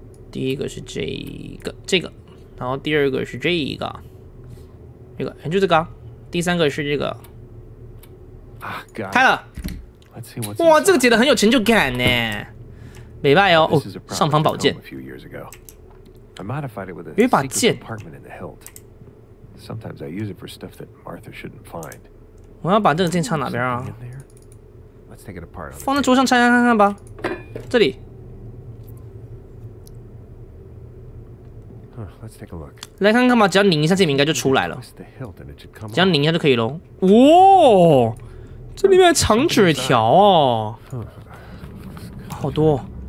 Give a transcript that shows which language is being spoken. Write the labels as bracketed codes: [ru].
[zh] 第一个是这个，这个，然后第二个是这个，这个，就这个、啊，第三个是这个。啊，开了！哇，这个解的很有成就感呢，美败哦，上方宝剑。 [en] I modified it with a secret compartment in the hilt. Sometimes I use it for stuff that Martha shouldn't find. [zh] 我要把这个剑插哪边啊？ [en] Let's take it apart. [zh] 放在桌上拆开看看吧。这里。 [en] Let's take a look. [zh] 来看看吧，只要拧一下，这名该就出来了。只要拧一下就可以喽。哇、哦，这里面长纸条哦，好多。